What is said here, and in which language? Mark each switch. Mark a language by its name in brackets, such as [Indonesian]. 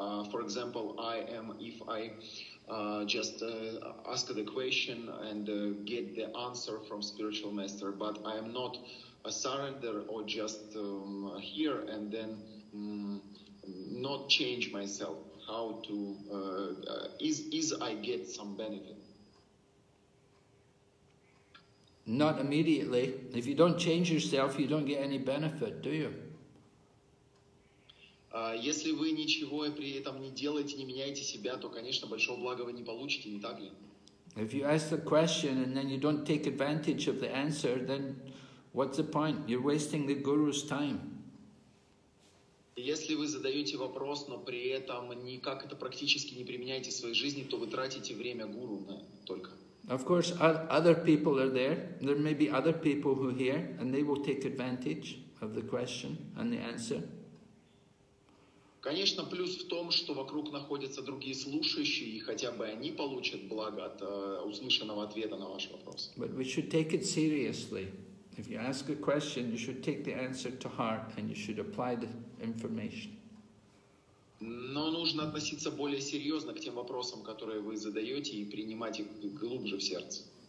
[English] for example, I ask the question and get the answer from spiritual master, but I am not a surrender or just here and then not change myself, how to is I get some benefit? Not immediately. If you don't change yourself, you don't get any benefit, do you? [Russian] Если вы ничего при этом не делаете, не меняете себя, то, конечно, большого блага вы не получите, не так ли? [English] If you ask the question and then you don't take advantage of the answer, then What's the point? You're wasting the guru's time. [Russian] Если вы задаете вопрос, но при этом никак это практически не применяете в своей жизни, то вы тратите время гуру на только. [English] Of course, other people are there. There may be other people who hear, and they will take advantage of the question and the answer. [Russian] Конечно, плюс в том, что вокруг находятся другие слушающие, и хотя бы они получат благо от услышанного ответа на ваш вопрос. [English] But we should take it seriously. If you ask a question, you should take the answer to heart, and you should apply the information. [Russian] Но нужно относиться более серьезно к тем вопросам, которые вы задаете, и принимать их глубже в сердце.